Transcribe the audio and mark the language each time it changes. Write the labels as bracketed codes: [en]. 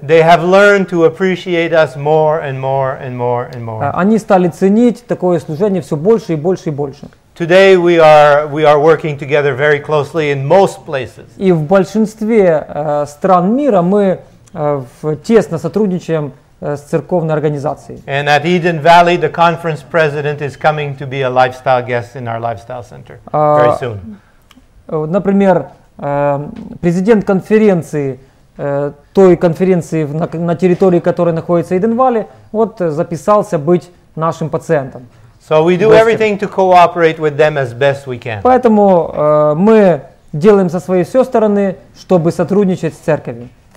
[en] they have learned to appreciate us more and more and more and more. [ru] Они стали ценить такое служение все больше и больше и больше. [en] Today we are working together very closely in most places. [ru] И в большинстве стран мира мы тесно сотрудничаем с церковной организацией. [en] And at Eden Valley, the conference president is coming to be a lifestyle guest in our lifestyle center very soon. [ru] Например, президент конференции, той конференции на территории, которая находится в Eden Valley, вот записался быть нашим пациентом. [en] So we do everything to cooperate with them as best we can. [ru] Поэтому мы делаем со своей все стороны, чтобы сотрудничать с церковью.